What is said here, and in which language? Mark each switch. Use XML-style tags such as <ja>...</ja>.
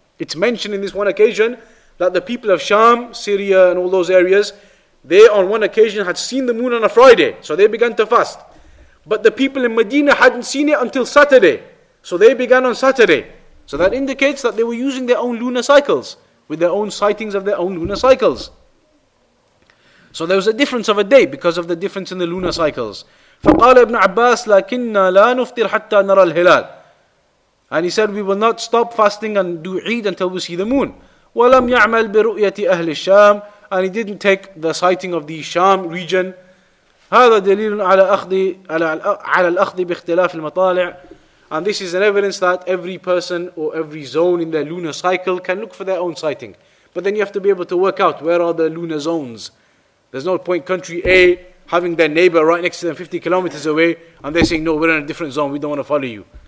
<en>It's mentioned in this one occasion that the people of Sham, Syria and all those areas, they on one occasion had seen the moon on a Friday, so they began to fast. But the people in Medina hadn't seen it until Saturday, so they began on Saturday. So that indicates that they were using their own lunar cycles, with their own sightings of their own lunar cycles. So there was a difference of a day because of the difference in the lunar cycles.</en> <ar>فقال ابن عباس لكننا لا نفطر حتى نرى الهلال.</ar> <en>And he said, we will not stop fasting and do Eid until we see the moon.</en> <ar>ولم يعمل برؤية أهل الشام.</ar> <en>And he didn't take the sighting of the Sham region.</en> <ar>هذا دليل على أخذ على الأخذ باختلاف المطالع.</ar> <en>And this is an evidence that every person or every zone in their lunar cycle can look for their own sighting. But then you have to be able to work out where are the lunar zones. There's no point country A having their neighbor right next to them 50 kilometers away and they're saying, no, we're in a different zone, we don't want to follow you.</en>